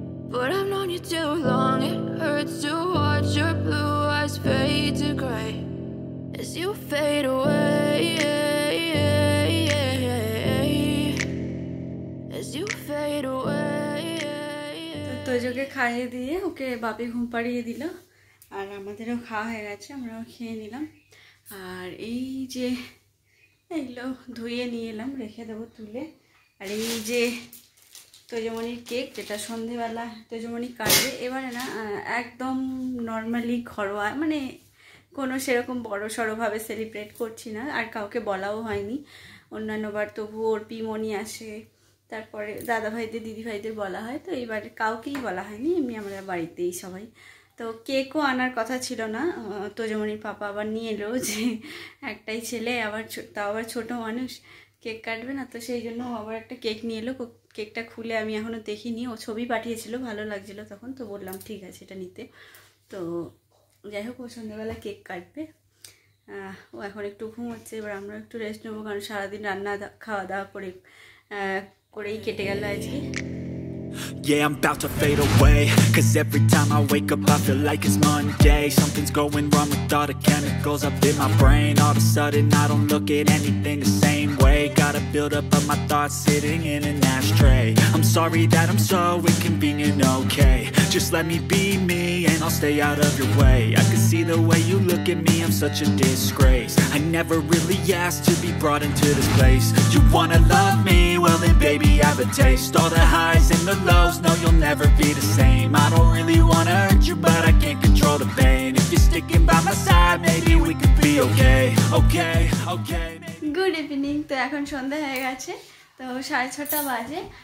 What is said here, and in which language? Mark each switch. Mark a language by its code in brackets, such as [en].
[en] But I've known you too long, it hurts to watch your blue eyes fade to gray. As you fade away, yeah, yeah, yeah, yeah. As you fade away, yeah, yeah. [bn] তো তোজোকে খাইয়ে দিয়ে ওকে বাপে ঘুম পাড়িয়ে দিল, আর আমাদেরও খাওয়া হয়ে গেছে, আমরাও খেয়ে নিলাম। আর এই যে এগুলো ধুয়ে নিয়ে এলাম, রেখে দেবো তুলে। আর এই যে তোজমনির কেক, যেটা সন্ধেবেলা তোজমনি কাটবে, এবারে না একদম নর্মালি ঘরোয়া, মানে কোনো সেরকম বড় সড়োভাবে সেলিব্রেট করছি না, আর কাউকে বলাও হয়নি। অন্যান্যবার তবু ওর পিমনি আসে, তারপরে দাদাভাইদের দিদিভাইদের বলা হয়, তো এইবার কাউকেই বলা হয়নি, এমনি আমরা বাড়িতেই সবাই। তো কেকও আনার কথা ছিল না, তোজমনির পাপা আবার নিয়ে এলো, যে একটাই ছেলে আবার তাও আবার ছোটো মানুষ, কেক কাটবে না, তো সেই জন্য আবার একটা কেক নিয়ে এলো। কেকটা খুলে আমি এখনও দেখিনি, ও ছবি পাঠিয়েছিল, ভালো লাগছিল তখন, তো বললাম ঠিক আছে এটা নিতে। তো যাই হোক, ও সন্ধ্যাবেলা কেক কাটবে, ও এখন একটু ঘুমোচ্ছে, এবার আমরা একটু রেস্ট নেবো, কারণ সারাদিন রান্না খাওয়া দাওয়া করে করেই কেটে গেল আজকে। [en] Yeah, I'm about to fade away. Cause every time I wake up I feel like it's Monday. Something's going wrong with all the chemicals up in my brain. All of a sudden I don't look at anything the same way. Gotta build up of my thoughts sitting in an ashtray. I'm sorry that I'm so inconvenient, okay. Just let me be me and I'll stay out of your way. I can see the way you look at me, I'm such a disgrace. I never really asked to be brought into this place. You wanna love me? Well then baby I have a taste. All the highs and the lows, no you'll never be the same. I don't really wanna hurt you, but I can't control the pain. If you're sticking by my side, maybe we could be okay. Okay, okay, maybe. Good evening, [bn] তো এখন সন্ধ্যা হয়ে গেছে, তো 6:30 বাজে।